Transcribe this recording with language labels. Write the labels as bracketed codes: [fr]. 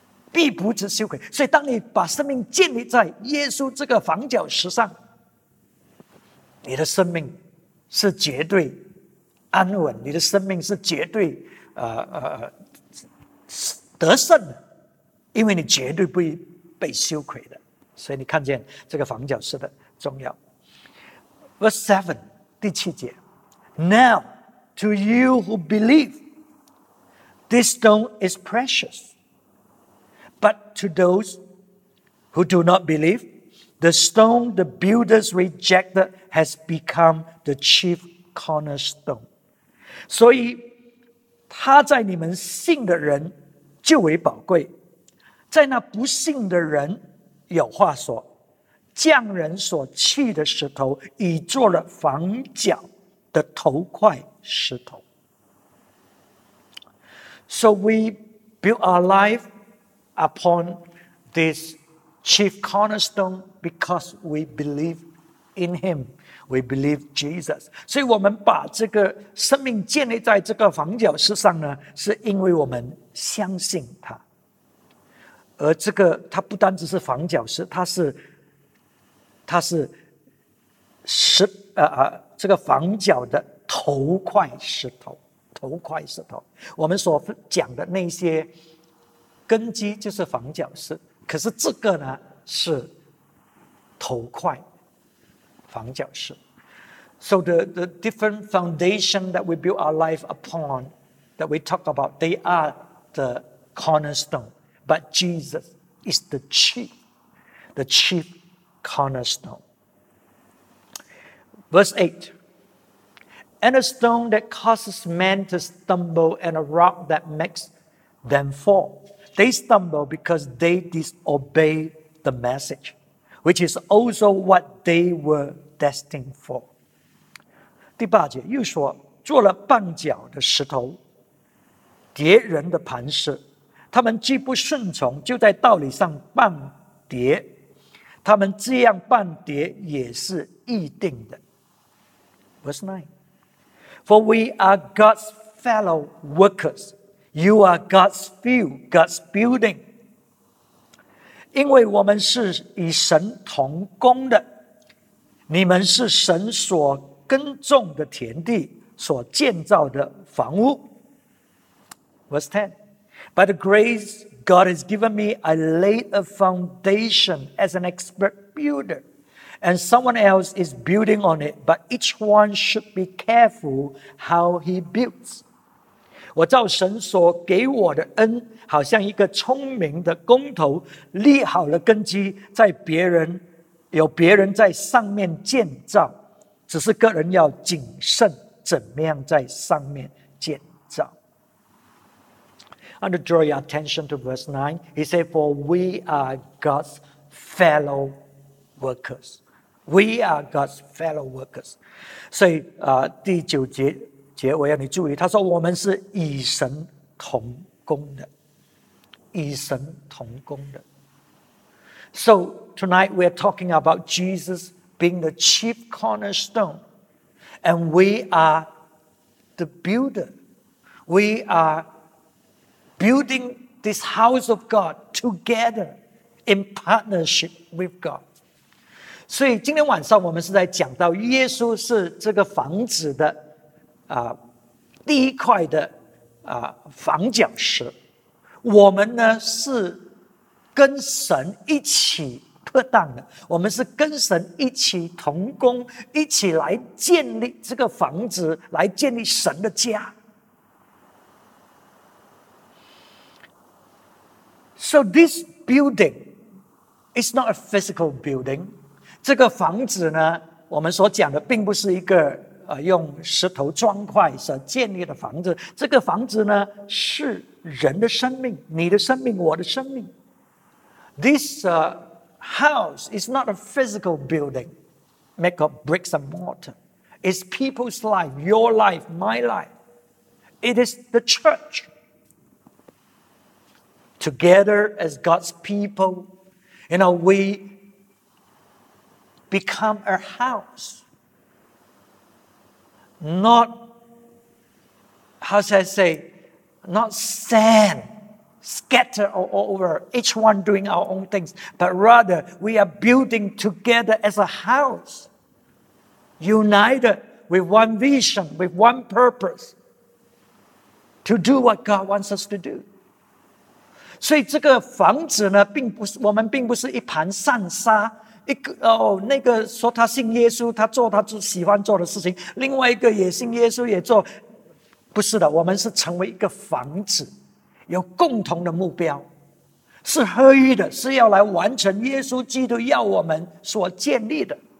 [zh] 必不知羞愧。所以当你把生命建立在耶稣这个房角石上，你的生命是绝对安稳，你的生命是绝对 得胜的，因为你绝对不会被羞愧的。所以你看见这个房角石的重要。 [en] Verse 7, [zh] 第七节, [en] Now to you who believe, this stone is precious. But to those who do not believe, the stone the builders rejected has become the chief cornerstone. [zh] 所以他在你们信的人就为宝贵，在那不信的人有话说，匠人所砌的石头已做了房角的头块石头。 [en] So we build our life upon this chief cornerstone because we believe in him. We believe Jesus. [zh] 所以我们把这个生命建立在这个房角石上呢，是因为我们相信他。而这个它不单只是房角石，它是石这个房角的头块石头，头块石头。我们所讲的那些根基就是房角石，可是这个呢是头块房角石。 [en] So the different foundation that we build our life upon, that we talk about, they are the cornerstone. But Jesus is the chief cornerstone. Verse 8. And a stone that causes men to stumble and a rock that makes them fall. They stumble because they disobey the message, which is also what they were destined for. [zh] 第八节又说，做了绊脚的石头，跌人的磐石，他们既不顺从，就在道理上绊跌，他们这样绊跌也是预定的。 [en] Verse 9. For we are God's fellow workers. You are God's field, God's building. [zh] 因为我们是与神同工的，你们是神所耕种的田地，所建造的房屋。 [en] Verse 10. By the grace God has given me, I laid a foundation as an expert builder, and someone else is building on it, but each one should be careful how he builds. [zh] 我照神所给我的恩，好像一个聪明的工头，立好了根基，在别人，有别人在上面建造，只是个人要谨慎怎么样在上面建造。 [en] I want to draw your attention to verse 9. He said, for we are God's fellow workers. We are God's fellow workers. [zh] 所以第九节结尾要你注意，他说我们是与神同工的，与神同工的。 [en] So tonight we are talking about Jesus being the chief cornerstone, and we are the builder. We are building this house of God together in partnership with God. [zh] 所以今天晚上我们是在讲到耶稣是这个房子的第一块的房角石，我们呢是跟神一起特当的，我们是跟神一起同工，一起来建立这个房子，来建立神的家。 [en] So this building is not a physical building. [zh] 这个房子呢，我们所讲的并不是一个用石头砖块所建立的房子。这个房子呢，是人的生命，你的生命，我的生命。 [en] This house is not a physical building made of bricks and mortar. It's people's life, your life, my life. It is the church. Together as God's people, you know, we become a house. Not, how should I say, not sand. Scatter all over, each one doing our own things, but rather we are building together as a house, united with one vision, with one purpose, to do what God wants us to do. [zh] 所以这个房子呢，并不是我们并不是一盘散沙，那个说他信耶稣，他做他就喜欢做的事情，另外一个也信耶稣也做，不是的，我们是成为一个房子。有共同的目标，是合一的，是要来完成耶稣基督要我们所建立的。